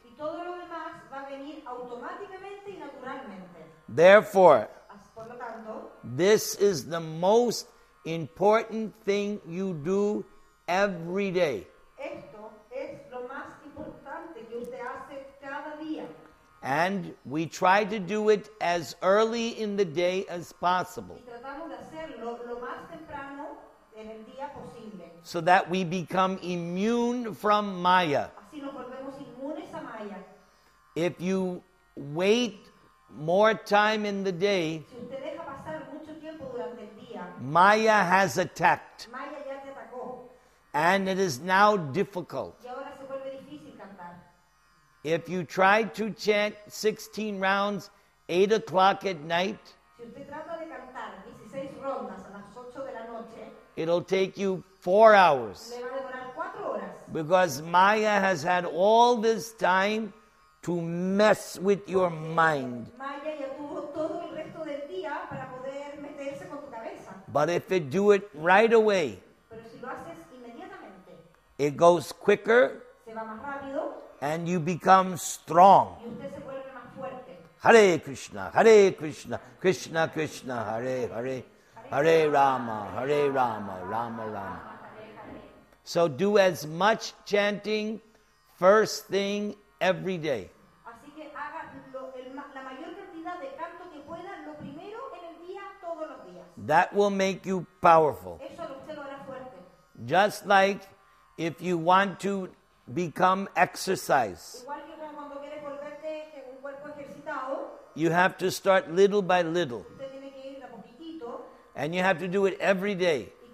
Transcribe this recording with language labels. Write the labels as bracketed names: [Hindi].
[Spanish] Y todo lo demás va a venir automáticamente y naturalmente. [English] Therefore, [Spanish] por lo tanto, [English] this is the most important thing you do every day. [Spanish] Esto es lo más importante que usted hace cada día. [English] And we try to do it as early in the day as possible. [Spanish] Y tratamos de hacerlo lo más temprano en el día posible. [English] So that we become immune from Maya. [Spanish] Así nos volvemos inmunes a Maya. [English] If you wait more time in the day, [Spanish] si usted deja pasar mucho tiempo durante el día, [English] Maya has attacked. [Spanish] Maya ya te atacó. [English] And it is now difficult. [Spanish] Y ahora se vuelve difícil cantar. [English] If you try to chant 16 rounds 8 o'clock at night, [Spanish] si usted trata de cantar 16 rondas a las 8 de la noche, [English] it'll take you 4 hours. [Spanish] Le va a demorar 4 horas. [English] Because Maya has had all this time to mess with your mind. [Spanish] Maya ya tuvo todo para poder meterse con tu cabeza. [English] But if you do it right away, [Spanish] pero si lo haces inmediatamente, [English] it goes quicker, [Spanish] se va más rápido, [English] and you become strong. [Spanish] Y usted se vuelve más fuerte. [Sanskrit] Hare Krishna, Hare Krishna, Krishna Krishna, Hare Hare, Hare Rama, Hare Rama, Rama Rama. [English] So do as much chanting first thing every day. [Spanish] Así que haga la mayor cantidad de canto que pueda lo primero en el día todos los días. [English] That will make you powerful. [Spanish] Eso usted lo hará fuerte. [English] Just like if you want to become exercise. [Spanish] Igual que cuando quieres volverte un cuerpo ejercitado. [English] You have to start little by little. [Spanish] Usted tiene que ir a poquitito. [English] And you have to do it every day.